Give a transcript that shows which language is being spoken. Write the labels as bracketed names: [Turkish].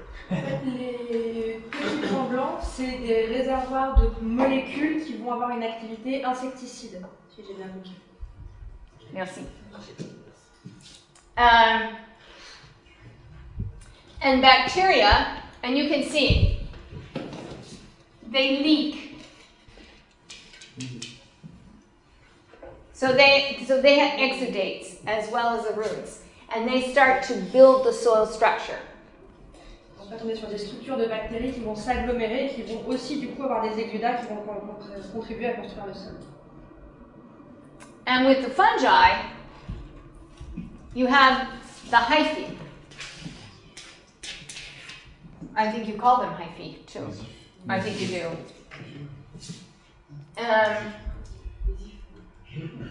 [French] Les petits blancs, c'est des réservoirs de molécules qui vont avoir une activité insecticide. Merci. [English] And bacteria, and you can see, they leak. So they have exudates as well as the roots, and they start to build the soil structure. [French] En fait, on est sur des structures de bactéries qui vont s'agglomérer, qui vont aussi du coup avoir des exudats qui vont contribuer à construire le sol. [English] And with the fungi, you have the hyphae. I think you call them hyphae, too. I think you do.